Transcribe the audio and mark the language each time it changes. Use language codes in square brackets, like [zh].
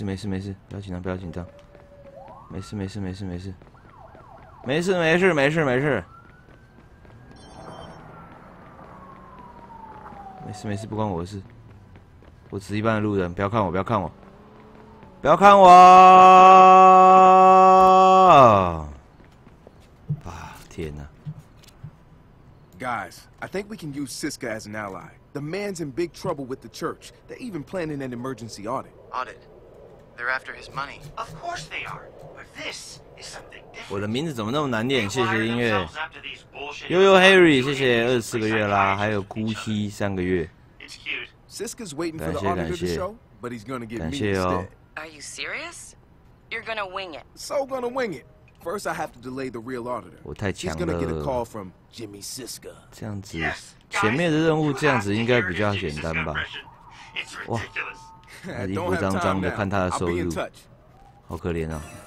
[zh] 没事，不要紧张，没事，不关我的事，我只是一般的路人，不要看我，啊，天哪 [en] ！Guys, I think we can use Siska as an ally. The man's in big trouble with the church. They're even planning an emergency audit. Audit? They're after his money. Of course they are. But this is something different. [zh] 我的名字怎么那么难念？谢谢音乐。悠悠 Harry， 谢谢24个月啦，还有姑息3个月。 [en] Siska's waiting for the auditor to show, but he's gonna get me instead. Are you serious? You're gonna wing it. So gonna wing it. First, I have to delay the real auditor. [zh] 我太强了。 [en] She's gonna get a call from Jimmy Siska. [zh] 这样子，前面的任务这样子应该比较简单吧？哇，他衣服脏脏的，看他的收入，好可怜啊！